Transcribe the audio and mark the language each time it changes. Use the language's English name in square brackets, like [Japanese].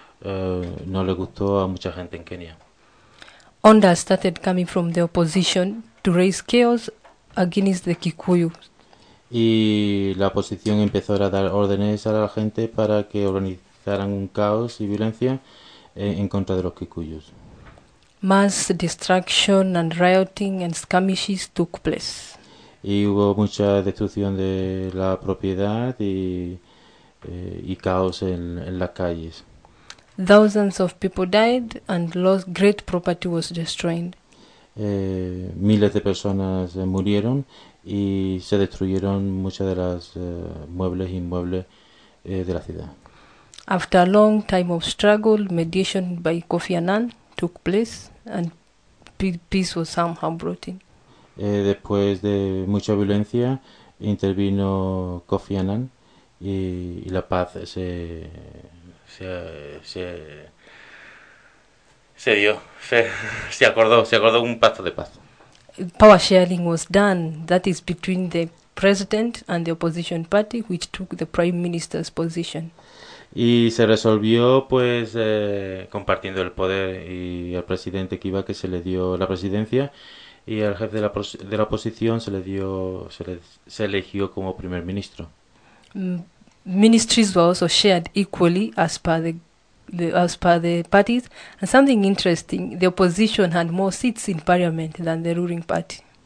[Spanish] no le gustó a mucha gente en Kenia. [English] Onda started coming from the opposition to raise chaos against the Kikuyu. [Spanish] Y la oposición empezó a dar órdenes a la gente para que organizaran un caos y violencia en contra de los Kikuyus. [English] Mass destruction and rioting and skirmishes took place. [Spanish] Y hubo mucha destrucción de la propiedad y caos en las calles. [English] Thousands of people died and lost great property was destroyed. [Spanish] Miles de personas murieron y se destruyeron muchas de las muebles e inmuebles de la ciudad. [English] After a long time of struggle, mediation by Kofi Annan took place and peace was somehow brought in. [Spanish] Después de mucha violencia, intervino Kofi Annan y la paz se dio, se acordó un pacto de paz. [English] Power sharing was done, that is between the president and the opposition party, which took the prime minister's position. [Spanish] Y se resolvió pues compartiendo el poder y al presidente Kiva que se le dio la presidencia y al jefe de la oposición se eligió como primer ministro. [English] Ministries were also shared equally as per the parties. And something interesting, the opposition had more seats in parliament than the ruling party.